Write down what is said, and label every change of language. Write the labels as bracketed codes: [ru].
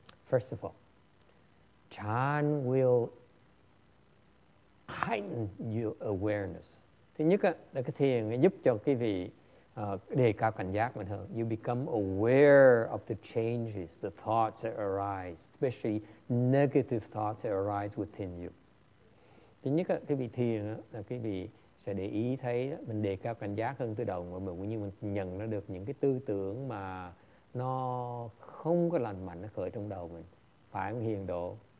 [en] First of all, chan will heighten your awareness. [vi] Thứ nhất là cái thiền giúp cho quý vị đề cao cảnh giác mình hơn. [en] You become aware of the changes, the thoughts that arise, especially negative thoughts that arise within you. [vi] Thứ nhất là quý vị thiền là quý vị sẽ để ý thấy mình đề cao cảnh giác hơn từ đầu, và mình cũng như mình nhận ra được những cái tư tưởng mà nó không có lành mạnh, nó khởi trong đầu mình, phản hiền độ.